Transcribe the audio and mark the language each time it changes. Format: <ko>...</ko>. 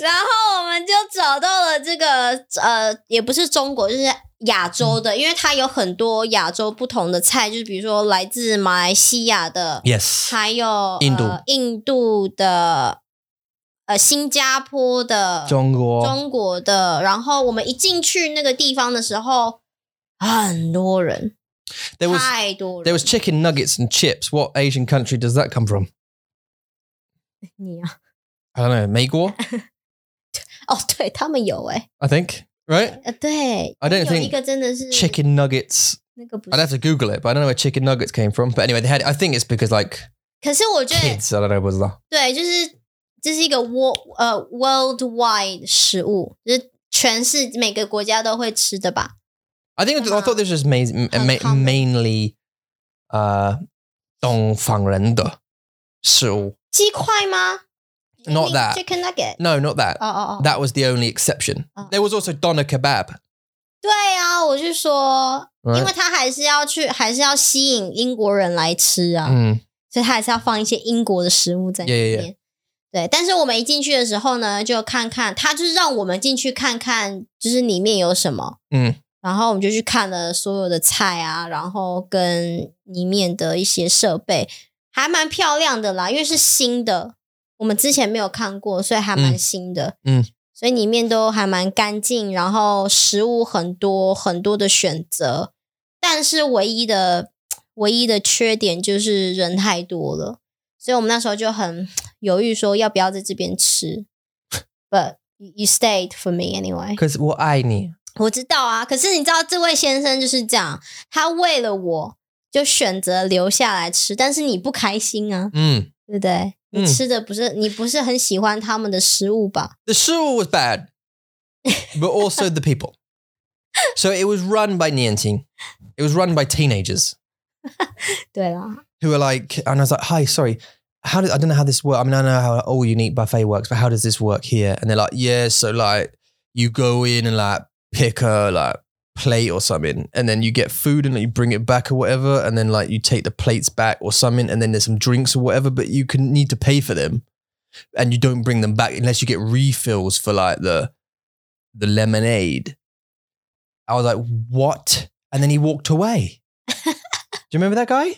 <zh>然后我们就找到了这个, 也不是中国, 亚洲的, 因为它有很多亚洲不同的菜, 就是比如说来自马来西亚的,</zh> <en>yes,</en> <zh>还有印度, 印度的, 新加坡的, 中国, 中国的, 然后我们一进去那个地方的时候, 很多人,</zh> <en>there was,</en> <zh>太多人,</zh> <en>there was chicken nuggets and chips, what Asian country does that come from?</en> <zh>你啊,</zh> <en>I don't know, 美国?</en> <zh>哦, 对, 他们有耶,</zh> <en>I think, Right?</en> <zh>对,</zh> <en>I don't think chicken nuggets. I'd have to Google it, but I don't know where chicken nuggets came from. But anyway, they had. I think it's because like</en> <zh>可是我觉得,</zh> <en>kids. I don't know what's that.</en> <zh>对，就是这是一个 worldwide 食物，就是全世界每个国家都会吃的吧</zh> <en>I think I thought this was mainly</en> <zh>东方人的食物鸡块吗</zh> <en>Not that Chicken nugget No not that That was the only exception There was also doner kebab</en> <zh>对啊我就说、</zh> <en>right?</en> <zh>因为他还是要去还是要吸引英国人来吃啊、 mm. 所以他还是要放一些英国的食物在里面</zh> <en>yeah.</en> <zh>对但是我们一进去的时候呢就看看他就是让我们进去看看就是里面有什么嗯、mm. 然后我们就去看了所有的菜啊然后跟里面的一些设备还蛮漂亮的啦因为是新的我们之前没有看过所以还蛮新的嗯, 嗯，所以里面都还蛮干净然后食物很多很多的选择但是唯一的缺点就是人太多了所以我们那时候就很犹豫说要不要在这边吃</zh> <en>But you stayed for me anyway Because</en> <zh>我爱你我知道啊可是你知道这位先生就是这样他为了我就选择留下来吃但是你不开心啊嗯对不对你吃的不是、嗯、你不是很喜欢他们的食物吧</zh> <en>The 食物 was bad, but also the people. So it was run by 年轻 it was run by teenagers.</en> <zh>对啦</zh> <en>Who were like, and I was like, hi, sorry, how did, I don't know how this works, I mean, I know how all you need buffet works, but how does this work here? And they're like, yeah, so like, you go in and like,pick a like plate or something and then you get food and like, you bring it back or whatever and then like you take the plates back or something and then there's some drinks or whatever but you can need to pay for them and you don't bring them back unless you get refills for like the lemonade I was like what and then he walked away do you remember that guy</en>